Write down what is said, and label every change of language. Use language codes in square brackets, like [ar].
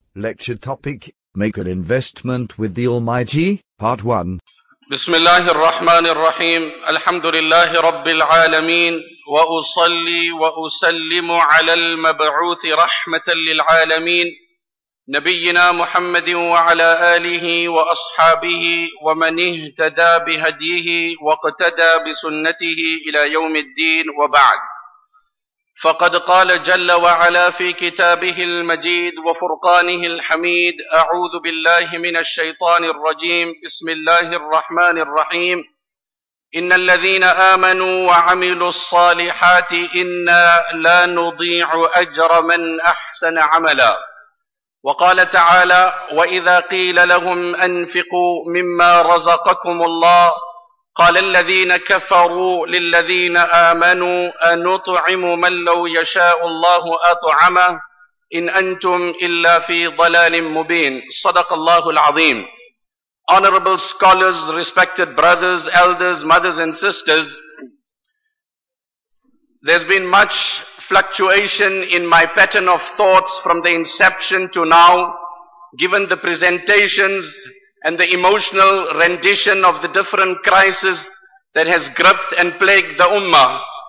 [en] Lecture topic, Make an Investment with the Almighty, Part 1. [ar] بسم الله الرحمن الرحيم الحمد لله رب العالمين وأصلي وأسلم على المبعوث رحمة للعالمين نبينا محمد وعلى آله وأصحابه ومن اهتدى بهديه واقتدى بسنته إلى يوم الدين وبعد فقد قال جل وعلا في كتابه المجيد وفرقانه الحميد أعوذ بالله من الشيطان الرجيم بسم الله الرحمن الرحيم إن الذين آمنوا وعملوا الصالحات إنا لا نضيع أجر من أحسن عملا وقال تعالى وإذا قيل لهم أنفقوا مما رزقكم الله قال الذين كفروا للذين آمنوا أنطعم من لو يشاء الله أطعمه إن أنتم إلا في ضلال مبين صدق الله العظيم. [en] Honorable scholars, respected brothers, elders, mothers and sisters, there's been much fluctuation in my pattern of thoughts from the inception to now, given the presentations and the emotional rendition of the different crises that has gripped and plagued the Ummah.